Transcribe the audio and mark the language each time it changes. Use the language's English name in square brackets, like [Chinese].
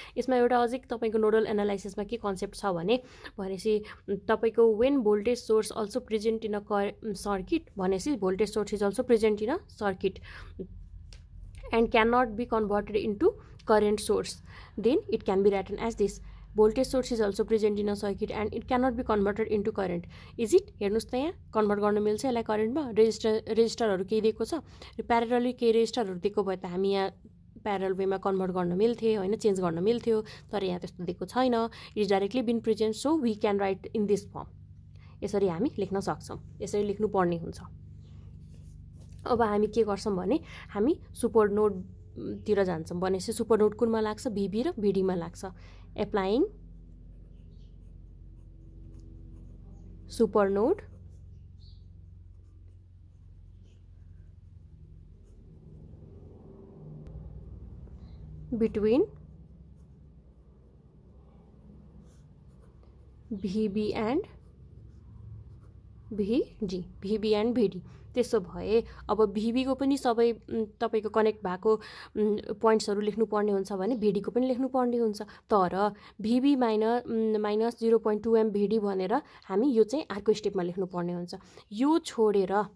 [Nepali] यसमा एउटा अझै तपाईँको नोडल एनालाइसिसमा के कन्सेप्ट छ भनेपछि तपाईँको [English] When voltage source also present in a circuit, भनेपछि voltage source is also present in a circuit and can not be converted into current source, then it can be written as this voltage source is also present in a circuit and it cannot be converted into current. Is it? [Nepali] हेर्नुहोस् त यहाँ convert गर्न मिल्छ यसलाई करेन्टमा. रेजिस्टरहरू केही दिएको छ, प्यारेलली केही रेजिस्टरहरू दिएको भए त हामी यहाँ प्यारेलल वेमा कन्भर्ट गर्न मिल्थे होइन, चेन्ज गर्न मिल्थ्यो, तर यहाँ त्यस्तो दिएको छैन. [English] It is directly been present so we can write in this form. [Nepali] यसरी हामी लेख्न सक्छौँ, यसरी लेख्नुपर्ने हुन्छ. अब हामी के गर्छौँ भने हामी सुपर नोडतिर जान्छौँ, भनेपछि सुपर नोड कुनमा लाग्छ? भिभी र भिडीमा लाग्छ. [English] Applying supernode between VB and VD, VB and VD. [Nepali] त्यसो भए अब भिभीको पनि सबै तपाईँको कनेक्ट भएको पोइन्ट्सहरू लेख्नुपर्ने हुन्छ भने भिडीको पनि लेख्नुपर्ने हुन्छ. तर भिभी माइनस 0.2 एम भिडी भनेर हामी यो चाहिँ अर्को स्टेपमा लेख्नुपर्ने हुन्छ. यो छोडेर